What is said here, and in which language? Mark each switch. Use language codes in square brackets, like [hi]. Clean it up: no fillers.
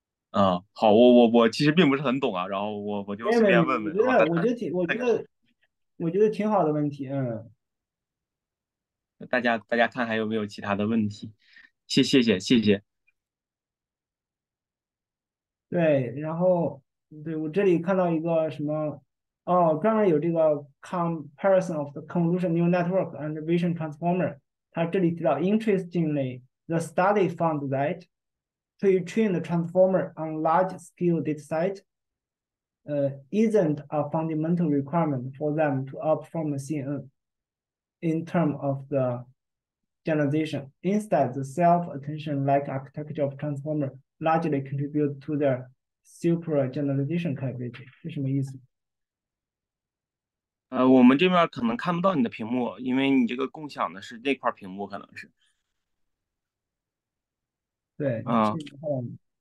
[zh] 好，我其实并不是很懂啊，然后我就没随便问题，问问，然后大家。我觉得挺好的问题，大家看还有没有其他的问题？谢谢。对，然后对我这里看到一个什么，哦，专门有这个 [en] comparison of the convolutional neural network and vision transformer， [zh] 它这里提到， [en] interestingly, the study found that pre-trained transformer on large scale dataset isn't a fundamental requirement for them to outperform CNN in terms of the generalization. Instead, the self-attention like architecture of transformer largely contribute to their super generalization capability. [zh] 是什么意思？我们这边可能看不到你的屏幕，因为你这个共享的是那块屏幕，可能是。对，你啊，确定看到吗？